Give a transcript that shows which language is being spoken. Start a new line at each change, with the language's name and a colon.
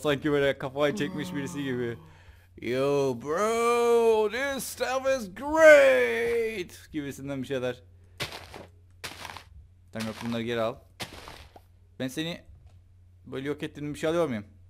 Turkish: Sanki böyle kafayı çekmiş birisi gibi.
English: Yo bro, this stuff is great.
Turkish: Gibisinden bir şeyler. Tamam, bunları geri al. Ben seni böyle yok ettiğimi bir şey alıyor muyum?